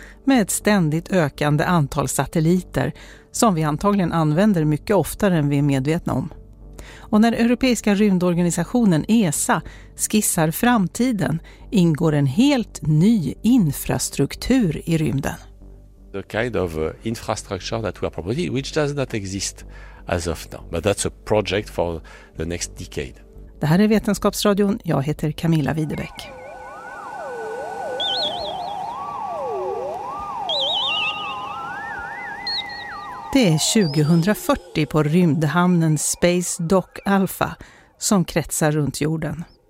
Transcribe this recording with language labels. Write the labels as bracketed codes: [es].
[sv] med ett ständigt ökande antal satelliter som vi antagligen använder mycket oftare än vi är medvetna om. Och när Europeiska rymdorganisationen ESA skissar framtiden ingår en helt ny infrastruktur i rymden. [en] The kind of infrastructure that we are proposing, which does not exist as of now, but that's a project for the next decade. [sv] Det här är Vetenskapsradion. Jag heter Camilla Widerbeck. Det är 2040 på rymdhamnen Space Dock Alpha som kretsar runt jorden.